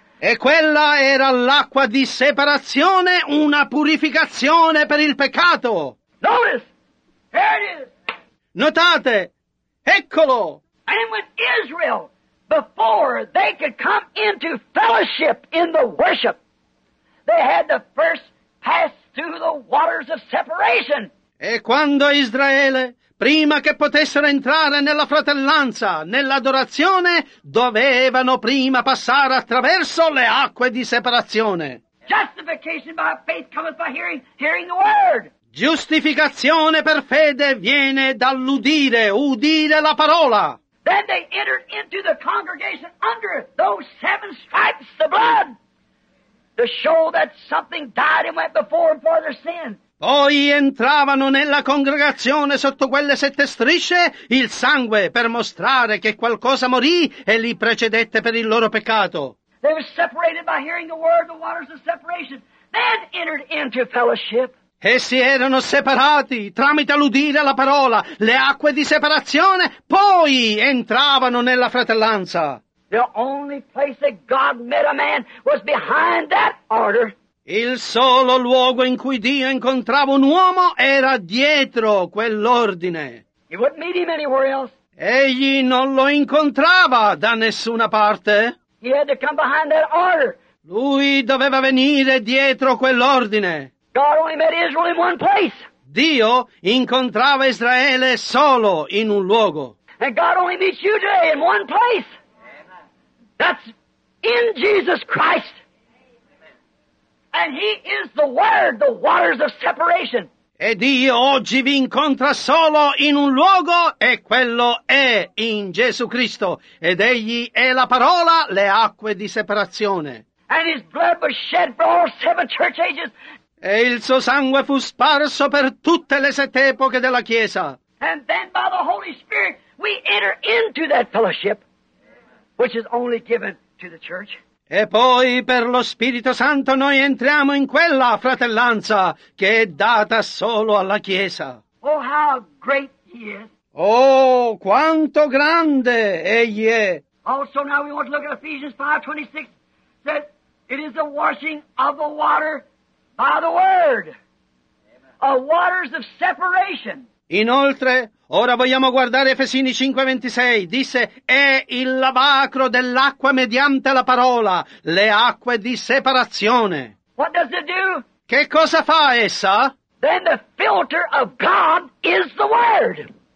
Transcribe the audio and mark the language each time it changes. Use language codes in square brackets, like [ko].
[it] E quella era l'acqua di separazione, una purificazione per il peccato. [en] Notice, here it is. [it] Notate, eccolo. [en] And with Israel. Before they could come into fellowship in the worship, they had to first pass through the waters of separation. [it] E quando Israele, prima che potessero entrare nella fratellanza, nell'adorazione, dovevano prima passare attraverso le acque di separazione. [en] Justification by faith cometh by hearing, hearing the word. [it] Giustificazione per fede viene dall'udire, udire la parola. [en] Then they entered into the congregation under those seven stripes, the blood, to show that something died and went before them for their sin. [it] Poi entravano nella congregazione sotto quelle sette strisce il sangue per mostrare che qualcosa morì e li precedette per il loro peccato. [en] They were separated by hearing the word, the waters of separation. Then entered into fellowship. [it] Essi erano separati tramite l'udire la parola, le acque di separazione, poi entravano nella fratellanza. [en] The only place that God met a man was behind that altar. [it] Il solo luogo in cui Dio incontrava un uomo era dietro quell'ordine. [en] He wouldn't meet him anywhere else. [it] Egli non lo incontrava da nessuna parte. [en] He had to come behind that altar. [it] Lui doveva venire dietro quell'ordine. [en] God only met Israel in one place. [it] Dio incontrava Israele solo in un luogo. [en] And God only meets you today in one place. That's in Jesus Christ. And He is the Word, the waters of separation. [it] E Dio oggi vi incontra solo in un luogo, e quello è in Gesù Cristo. Ed Egli è la parola, le acque di separazione. [en] And His blood was shed for all seven church ages. [it] E il suo sangue fu sparso per tutte le sette epoche della Chiesa. [en] And then by the Holy Spirit we enter into that fellowship, which is only given to the church. [it] E poi per lo Spirito Santo noi entriamo in quella fratellanza che è data solo alla Chiesa. [en] Oh, how great He is! [it] Oh, quanto grande Egli è! [en] Also now we want to look at Ephesians 5:26, that it is the washing of the water. By the word, a waters of separation. [it] Inoltre, ora vogliamo guardare Efesini 5:26. Disse, è il lavacro dell'acqua mediante la parola, le acque di separazione. [en] What does it do? [it] Che cosa fa essa? [en] Then the filter of God is the word.